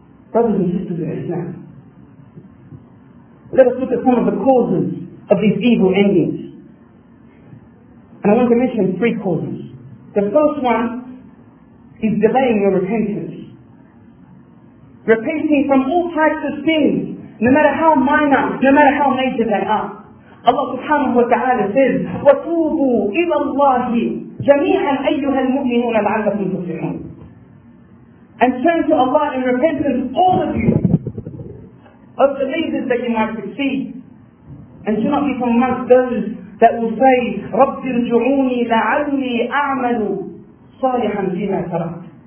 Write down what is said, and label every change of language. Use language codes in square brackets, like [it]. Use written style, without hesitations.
[en] Brothers and sisters in Islam, let us look at some of the causes of these evil endings. And I want to mention three causes. The first one is delaying your repentance. Repenting from all types of sins, no matter how minor, no matter how major they are. Allah subhanahu wa ta'ala says, [ar] "وَتُوبُوا إِلَى اللَّهِ جَمِيعًا أَيُّهَا الْمُؤْمِنُونَ لَعَلَّكُمْ تُفْلِحُونَ." [en] And turn to Allah in repentance, all of you, of the leaders that you might receive. And do not be from amongst those that will say, [ar] "رَبِّ ارْجُعُونِي لَعَلِّي أَعْمَلُ صَالِحًا فِيمَا تَرَكْتُ."